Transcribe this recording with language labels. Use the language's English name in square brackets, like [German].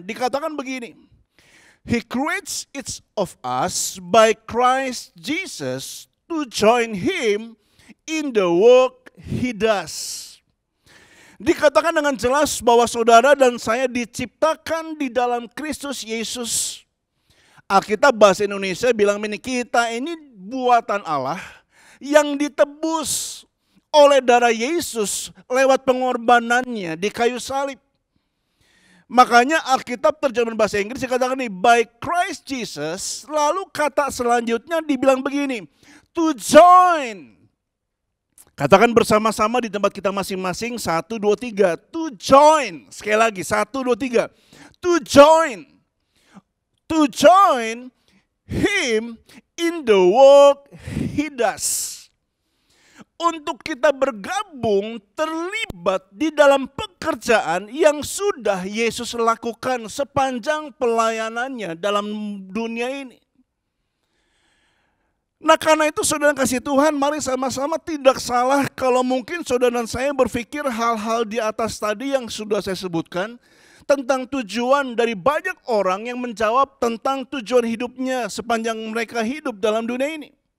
[Indonesian] Dikatakan begini, [English] He creates each of us by Christ Jesus to join Him in the work he does. [Indonesian] Dikatakan dengan jelas bahwa saudara dan saya diciptakan di dalam Kristus Yesus. Alkitab bahasa Indonesia bilang ini, kita ini buatan Allah yang ditebus oleh darah Yesus lewat pengorbanannya di kayu salib. Makanya Alkitab terjemahan bahasa Inggris dikatakan ini, [English] by Christ Jesus, [Indonesian] lalu kata selanjutnya dibilang begini, [English] to join. [Indonesian] Katakan bersama-sama di tempat kita masing-masing, 1, 2, 3, [English] to join. [Indonesian] Sekali lagi, 1, 2, 3, [English] to join. To join him in the work he does. [Indonesian] Untuk kita bergabung, terlibat di dalam pekerjaan yang sudah Yesus lakukan sepanjang pelayanannya dalam dunia ini. Nah karena itu saudara kasih Tuhan, mari sama-sama tidak salah kalau mungkin saudara dan saya berpikir hal-hal di atas tadi yang sudah saya sebutkan tentang tujuan dari banyak orang yang menjawab tentang tujuan hidupnya sepanjang mereka hidup dalam dunia ini.